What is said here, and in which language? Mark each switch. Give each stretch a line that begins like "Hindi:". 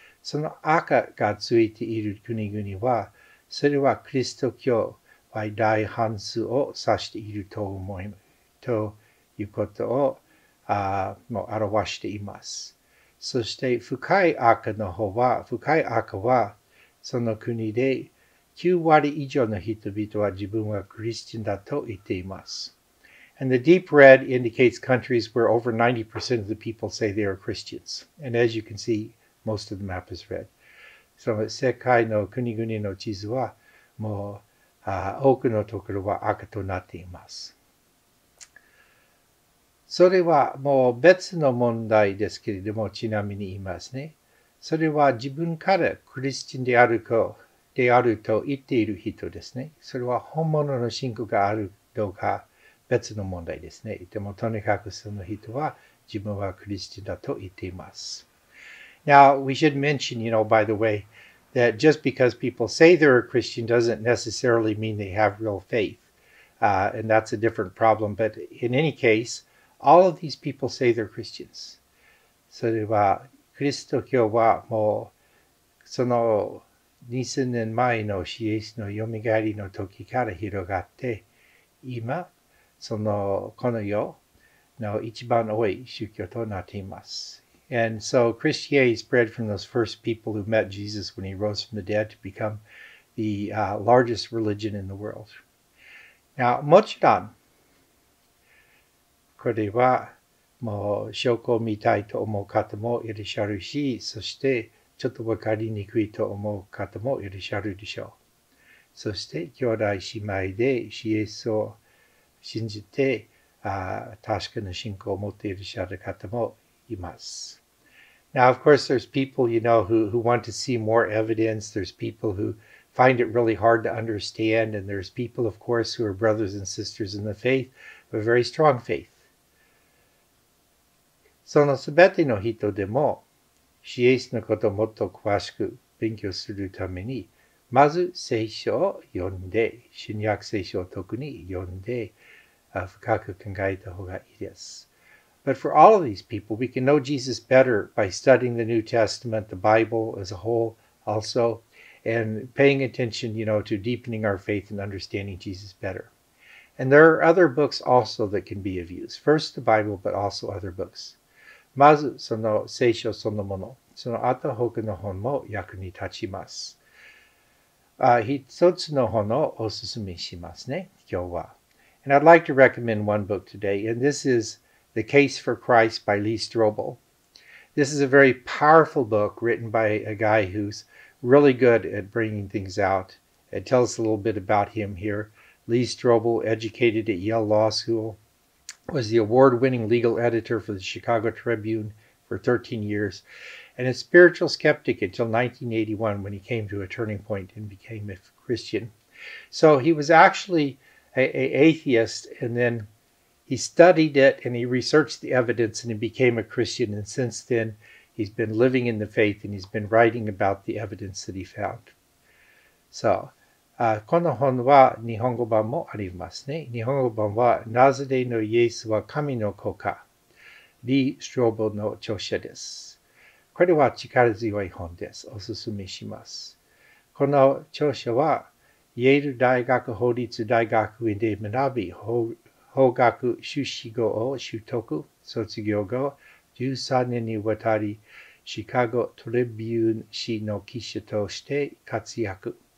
Japanese: その赤がついている国々は、それはキリスト教は大半数を指していると思いますということを表しています。そして深い赤はその国で9割以上の人々は自分はクリスチャンだと言っています。
English: And the deep red indicates countries where over 90% of the people say they are Christians. And as you can see, most of the map is red.
Japanese: So 世界の国々の地図はもう多くのところは赤となっています。それはもう別の問題ですけれども、ちなみに言いますね。それは自分からクリスチャンであると言っている人ですね。それは本物の信仰があるどうか別の問題ですね。でもとにかくその人は自分はクリスチャンだと言っています。
English: Now, we should mention, you know, by the way, that just because people say they're a Christian doesn't necessarily mean they have real faith. And that's a different problem. But in any case,All of these people say they're Christians.
Japanese: それは、キリスト教はもう、その2000年前のイエスのよみがえりの時から広がって、今、そのこの世の一番多い宗教となっています。
English: And so Christianity spread from those first people who met Jesus when he rose from the dead to become the largest religion in the world.
Japanese: Now, もちろん、これはもう証拠を見たいと思う方もいらっしゃるし、そしてちょっと分かりにくいと思う方もいらっしゃるでしょう。そして兄弟姉妹でイエスを信じて確かな信仰を持っていらっしゃる方もいます。
English: Now, of course, there's people, you know, who want to see more evidence. There's people who find it really hard to understand. And there's people, of course, who are brothers and sisters in the faith, a very strong faith.
Japanese: そのすべての人でも、イエスのことをもっと詳しく勉強するために、まず聖書を読んで、新約聖書を特に読んで、深く考えた方がいいです。
English: But for all of these people, we can know Jesus better by studying the New Testament, the Bible as a whole, also, and paying attention, you know, to deepening our faith and understanding Jesus better. And there are other books also that can be of use. First, the Bible, but also other books.
Japanese: まず、その聖書そのもの、その後、他の本も役に立ちます。一つの本をおすすめしますね、今日は。
English: And I'd like to recommend one book today, and this is The Case for Christ by Lee Strobel. This is a very powerful book written by a guy who's really good at bringing things out. It tells a little bit about him here. Lee Strobel, educated at Yale Law School, was the award-winning legal editor for the Chicago Tribune for 13 years, and a spiritual skeptic until 1981 when he came to a turning point and became a Christian. So he was actually an atheist, and then he studied it and he researched the evidence and he became a Christian. And since then, he's been living in the faith and he's been writing about the evidence that he found.
Japanese: So, この本は日本語版もありますね。日本語版はなぜでのイエスは神の子か。リー・ストロボの著者です。これは力強い本です。おすすめします。この著者は、イェール大学法律大学院で学び、法学修士号を取得、卒業後、13年にわたり、シカゴトリビューン紙の記者として活躍。